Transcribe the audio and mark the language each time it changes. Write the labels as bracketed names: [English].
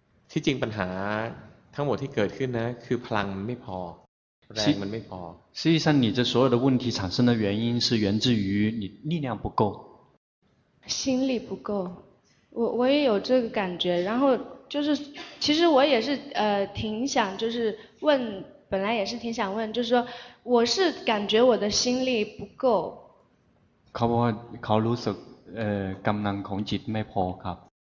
[Thai] ที่จริงปัญหาทั้งหมดที่เกิดขึ้นนะคือพลังมันไม่พอแรงมันไม่พอ [Chinese] 事实上你这所有的问题产生的原因是源自于你力量不够心力不够我也有这个感觉然后就是其实我也是挺想就是问本来也是挺想问就是说我是感觉我的心力不够 [Thai] เขารู้สึกกำลังของจิตไม่พอครับ